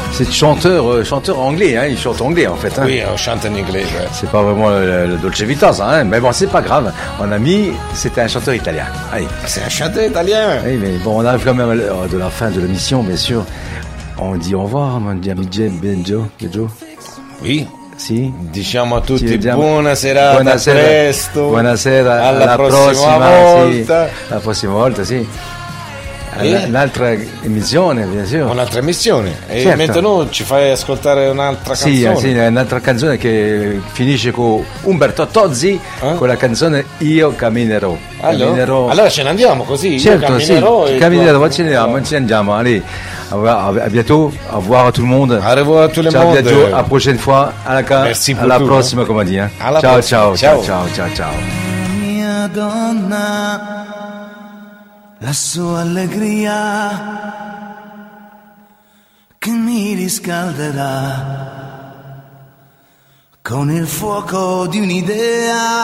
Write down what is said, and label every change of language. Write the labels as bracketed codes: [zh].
[fr] Chanteur anglais, hein, il chante anglais en fait. Hein. Oui, on chante en anglais. Ouais. C'est pas vraiment le Dolce Vita, ça, hein, mais bon, c'est pas grave. Mon ami, c'était un chanteur italien. Allez. C'est un chanteur italien. Oui, mais bon, on arrive quand même à l'heure de la fin de l'émission, bien sûr. On dit au revoir, mon ami Benjo. Oui. [it] Si. Diciamo a tutti, buonasera. Buonasera. Presto. Buonasera. Alla prossima volta. La prossima volta, sì. un'altra emissione, [fr] bien sûr. [it] Un'altra emissione. E certo. Mentre noi ci fai ascoltare un'altra canzone. Sì, sì, un'altra canzone che finisce con Umberto Tozzi, eh? Con la canzone Io camminerò. Allora, camminerò. Allora ce ne andiamo così. Certo, io camminerò, sì. Camminerò, tu... ce ne andiamo. [fr] Allez. A bientôt, au revoir à tout le monde. Au revoir à tout le monde. Ciao, bientôt, à la prochaine fois. À la, merci à la prochaine, comme on dit. Hein. À la [it] ciao, [fr] prochaine. [it] Ciao, ciao, ciao, ciao, ciao. Mia donna, la sua allegria che mi riscalderà con il fuoco di un'idea.